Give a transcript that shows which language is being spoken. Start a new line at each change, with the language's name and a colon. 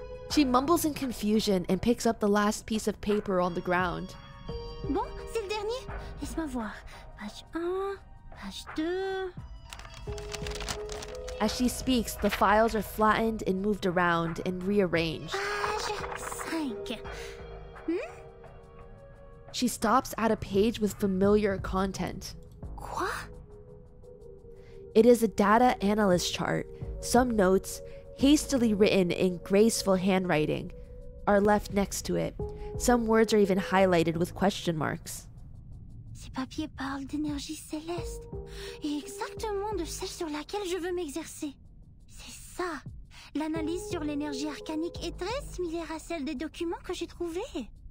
English: She mumbles in confusion and picks up the last piece of paper on the ground.
French: Bon, c'est le dernier. Laisse-moi voir. Page 1, Page 2.
English: As she speaks, the files are flattened and moved around and rearranged.
French: Page 5.
English: She stops at a page with familiar content.
French: Quoi?
English: It is a data analyst chart. Some notes, hastily written in graceful handwriting, are left next to it. Some words are even highlighted with question marks.
French: Ces papiers parlent d'énergie céleste et exactement de celle sur laquelle je veux m'exercer. C'est ça. L'analyse sur l'énergie arcanique est très similaire à celle des documents que j'ai trouvés.